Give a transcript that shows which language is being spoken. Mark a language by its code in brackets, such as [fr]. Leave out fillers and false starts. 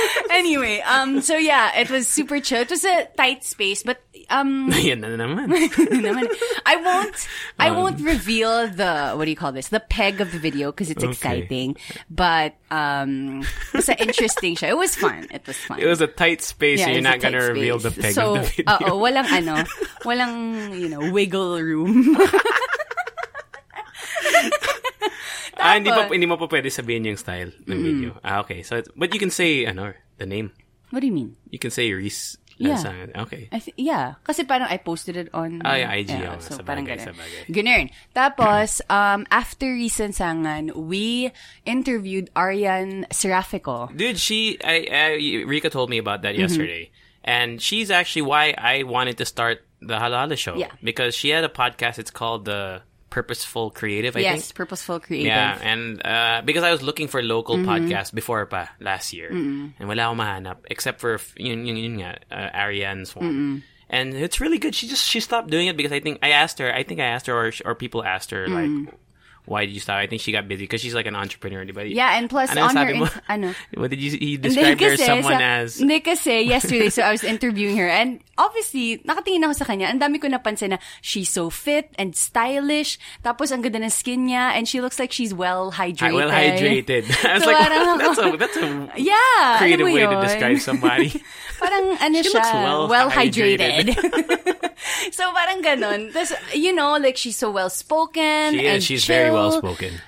[en] Anyway, so yeah, it was super chill. It was a tight space, but I won't reveal the the peg of the video because it's exciting. But it was interesting show. It was fun. It was a tight space, yeah, so you're not gonna reveal the peg so, of the video. Uh-oh, [tl] walang ano, walang, [en] you know, wiggle room. [tl] Ah, hindi mo pa pwede sabihin yung style ng video. [en] Ah, okay. So, but you can say, [tl] ano, [en] the name. What do you mean? You can say Reese Lansangan. Yeah. Okay. Yeah. [tl] Kasi parang [en] I posted it on IG. Yeah, so, [tl] parang ganun. Ganun. Tapos, [en] after Reese Lansangan, we interviewed Arian Serafico. Dude, Rika told me about that yesterday. And she's actually why I wanted to start the Halala Show. Yeah. Because she had a podcast. It's called the Purposeful Creative, I think. Yes, Purposeful Creative. Yeah, and because I was looking for local podcasts before pa last year. Mm-hmm. And [tl] wala akong mahanap, [en] except for Ariane's one. Mm-hmm. And it's really good. She stopped doing it because I asked her or people asked her, like, why did you stop? I think she got busy because she's like an entrepreneur. Anybody? Yeah, and plus [tl] ano on her... Mo, in, [en] what did you... He described her as someone as... Nika say yesterday, so I was interviewing her. And obviously, [tl] nakatingin ako sa kanya. Ang dami ko napansin na [en] she's so fit and stylish. [tl] Tapos ang ganda ng skin niya. [en] And she looks like she's well hydrated. Well hydrated. I was so, like, that's a creative way to describe somebody. [tl] Parang ano [en] she [tl] siya? [en] Looks well hydrated. [tl] So parang ganun. [en] This, you know, like she's so well-spoken. She is. And she's chill. Very well-spoken.